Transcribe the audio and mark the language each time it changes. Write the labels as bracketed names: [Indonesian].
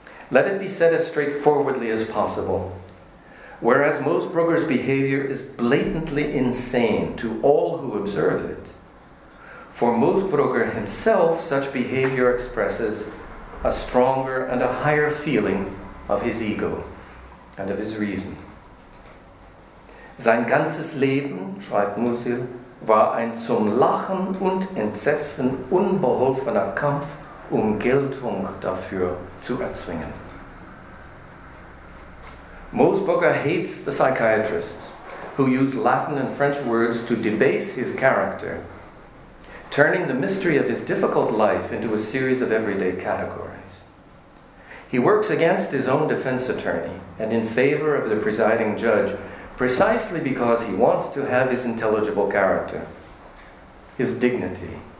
[English] Let it be said as straightforwardly as possible. Whereas Moosbrugger's behavior is blatantly insane to all who observe it, for Moosbrugger himself, such behavior expresses a stronger and a higher feeling of his ego and of his reason. [German] Sein ganzes Leben, schreibt Musil, war ein zum Lachen und Entsetzen unbeholfener Kampf, Geltung dafür zu erzwingen. [English] Moosbrugger hates the psychiatrists who use Latin and French words to debase his character, turning the mystery of his difficult life into a series of everyday categories. He works against his own defense attorney and in favor of the presiding judge precisely because he wants to have his intelligible character, his dignity.